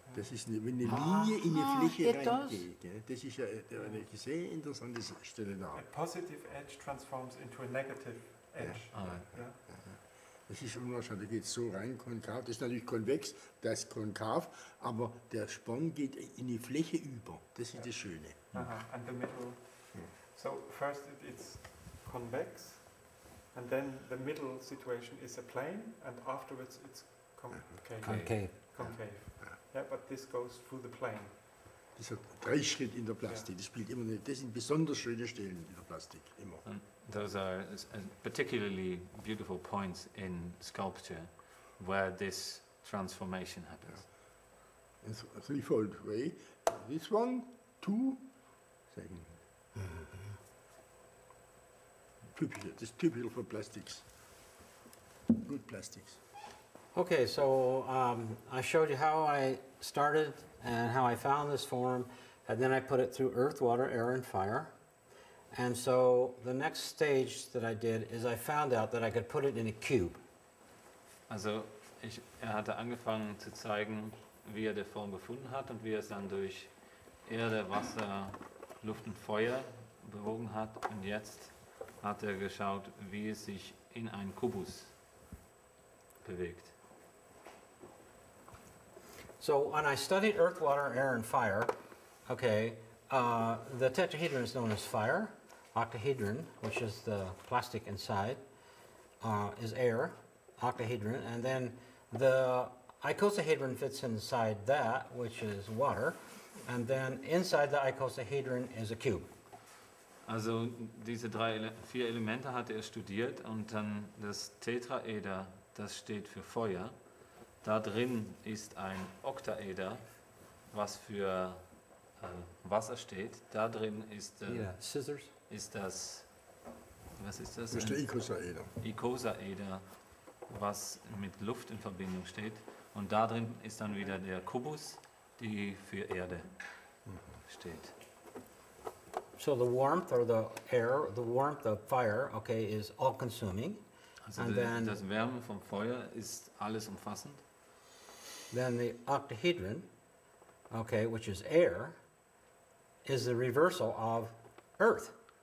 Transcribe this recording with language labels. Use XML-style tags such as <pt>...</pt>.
<de>Das ist eine, wenn eine Linie in eine Fläche reingeht. Das ist ja eine sehr interessante Stelle da.</de> <en>A positive edge transforms into a negative edge. Yeah. Ah. Yeah.</en> <de>Das ist unwahrscheinlich, da geht es so rein, konkav. Das ist natürlich konvex, das ist konkav, aber der Sporn geht in die Fläche über. Das ist das Schöne.</de> <en>Aha, and the middle. So, first it's convex, And then the middle situation is a plane, and afterwards it's concave. Yeah, but this goes through the plane.</en> <de>Das hat drei Schritte in der Plastik. Das spielt immer eine, das sind besonders schöne Stellen in der Plastik immer.</de> <en>And those are particularly beautiful points in sculpture, where this transformation happens. Yeah. In a threefold way. This one, two, second. Typical. This is typical for plastics. Good plastics. Okay, so I showed you how I started and how I found this form, and then I put it through earth, water, air, and fire. And so the next stage that I did is I found out that I could put it in a cube.</en> <de>Also, er hatte angefangen zu zeigen, wie er die Form gefunden hat und wie er es dann durch Erde, Wasser, Luft und Feuer bewogen hat. Und jetzt hat er geschaut, wie es sich in einen Kubus bewegt.</de> <en>So when I studied earth, water, air, and fire, okay, the tetrahedron is known as fire. Octahedron, which is the plastic inside, is air, octahedron. And then the icosahedron fits inside that, which is water. And then inside the icosahedron is a cube.</en> <de>Also diese drei, vier Elemente hatte er studiert. Und dann das Tetraeder, das steht für Feuer. Da drin ist ein Oktaeder, was für Wasser steht. Da drin ist, ist das, was ist das? Das ist der Icosaeder. Icosaeder, was mit Luft in Verbindung steht. Und da drin ist dann wieder der Kubus, die für Erde steht.</de> <en>So the warmth or the air, the warmth of fire, okay, is all consuming.</en> <de>Also</de> <en>and then</en> <de>das Wärme vom Feuer ist alles umfassend.</de> <en>Then the octahedron, okay, which is air, is the reversal of earth.</en>